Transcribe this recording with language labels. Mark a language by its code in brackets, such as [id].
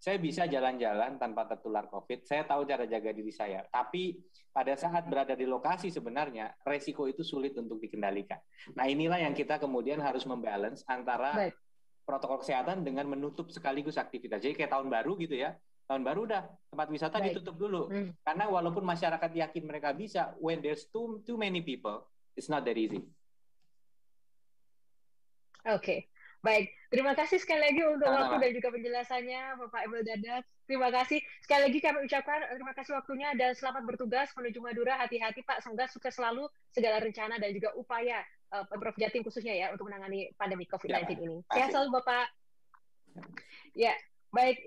[id] Saya bisa jalan-jalan tanpa tertular COVID. Saya tahu cara jaga diri saya. Tapi pada saat berada di lokasi sebenarnya, resiko itu sulit untuk dikendalikan. Nah, inilah yang kita kemudian harus membalance antara baik protokol kesehatan dengan menutup sekaligus aktivitas. Jadi kayak tahun baru gitu ya. Tahun baru udah, tempat wisata baik ditutup dulu. Karena walaupun masyarakat yakin mereka bisa, [en] when there's too many people, it's not that easy. [id] Oke. Baik, terima kasih sekali lagi untuk waktu dan juga penjelasannya, Bapak Emil Dadak. Terima kasih. Sekali lagi kami ucapkan terima kasih waktunya dan selamat bertugas menuju Madura. Hati-hati, Pak. Semoga sukses selalu segala rencana dan juga upaya Pemprov Jatim khususnya ya untuk menangani pandemi COVID-19 ini. Sehat selalu, Bapak. Ya, baik.